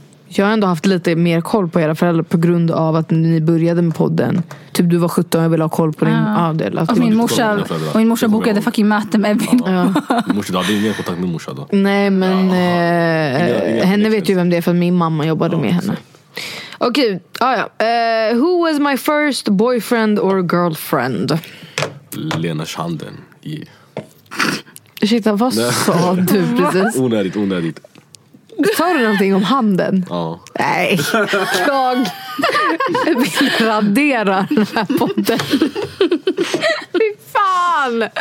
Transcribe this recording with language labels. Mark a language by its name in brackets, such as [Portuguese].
[Swedish] Jag har ändå haft lite mer koll på era föräldrar på grund av att ni började med podden. Typ du var 17 och jag ville ha koll på din del. Och min morsa, bokade fucking möte med Evin. Ja. Morsa, du hade ingen kontakt med morsa då? Nej, men henne vet ju vem det är för min mamma jobbade med henne. Okej, [English] who was my first boyfriend or girlfriend? [Swedish] Lena Schanden. Ursäkta, vad sa du precis? Onödigt, onödigt. Sa du någonting om handen? Ja. Nej, jag vill radera den här podden. Fy fan!